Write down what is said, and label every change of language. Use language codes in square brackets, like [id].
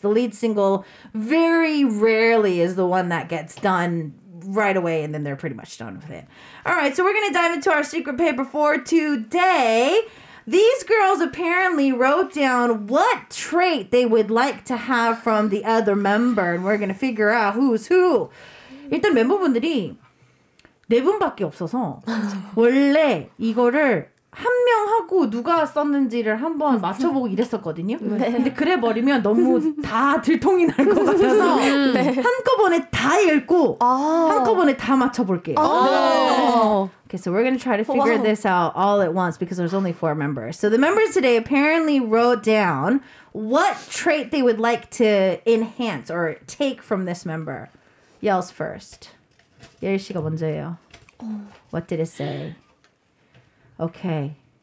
[en] The lead single very rarely is the one that gets done right away, and then they're pretty much done with it. All right, so we're going to dive into our secret paper for today. These girls apparently wrote down what trait they would like to have from the other member, and we're going to figure out who's who. [ko] 일단 멤버분들이 네 분밖에 없어서 원래 이거를 한 명하고 누가 썼는지를 한번 맞춰보고 이랬었거든요. 네. 근데 그래버리면 너무 다 들통이 날 것 같아서 네. 한꺼번에 다 읽고 아. 한꺼번에 다 맞춰볼게요. 아. 네. [en] Okay, so we're going to try to figure this out all at once because there's only four members. So the members today apparently wrote down what trait they would like to enhance or take from this member. Yells first. [ko] 예리 씨가 먼저예요. [en] What did it say? Okay.